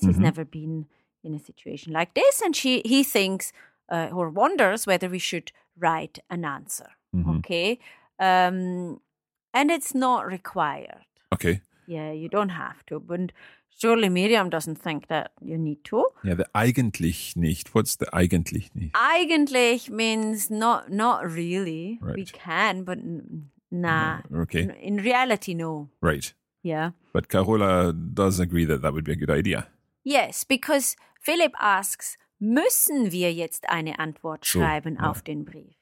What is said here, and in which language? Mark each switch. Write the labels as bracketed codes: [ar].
[en] Mm-hmm. He's never been in a situation like this, and he thinks or wonders whether we should write an answer. Mm-hmm. Okay. And it's not required. Okay. Yeah, you don't have to. But surely Miriam doesn't think that you need to. Yeah, the eigentlich nicht. What's the eigentlich nicht? Eigentlich means not really. Right. We can, but nah. Okay. In reality, no. Right. Yeah. But Carola does agree that that would be a good idea. Yes, because Philip asks, [de] müssen wir jetzt eine Antwort schreiben auf den Brief?